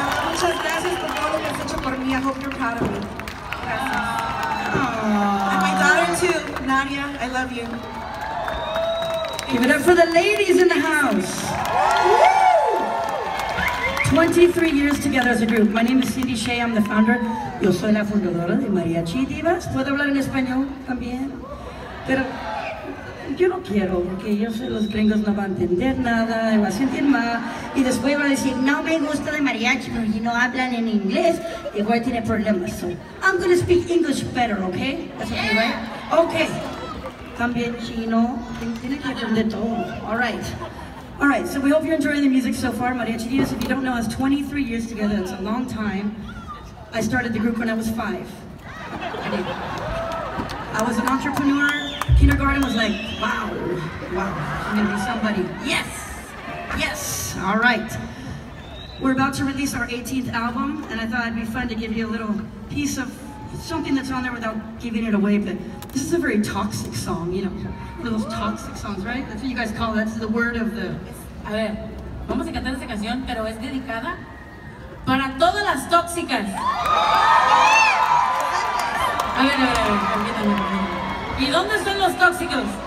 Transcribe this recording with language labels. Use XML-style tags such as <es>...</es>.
<es>Muchas gracias por todo lo que has hecho por mí.</es> <en>I hope you're proud of me.</en> <es>Gracias.</es> <en>And my daughter, too. Nadia, I love you. Give it up for the ladies in the house. Woo! 23 years together as a group. My name is Cindy Shea. I'm the founder.</en> <es>Yo soy la fundadora de Mariachi Divas. ¿Puedo hablar en español también? Pero yo no quiero, porque yo sé los gringos no van a entender nada, me va a sentir mal. Y después van a decir, no me gusta de mariachi, porque no hablan en inglés. Y voy a tener problemas.</es> <en>So, I'm going to speak English better, ¿ok? That's okay, right? Okay.</en> <es>También chino, tiene que aprender todo.</es> <en>All right, so we hope you're enjoying the music so far. Mariachi Divas, if you don't know, has 23 years together. It's a long time. I started the group when I was 5. I was an entrepreneur. Kindergarten was like, wow, I'm gonna be somebody. Yes, all right. We're about to release our 18th album, and I thought it'd be fun to give you a little piece of something that's on there without giving it away, but this is a very toxic song, you know, one of those toxic songs, right? That's what you guys call it. That's the word of the...</en> <es>A ver, vamos a cantar esta canción, pero es dedicada para todas las tóxicas. A ver. ¿Y dónde están los tóxicos?</es>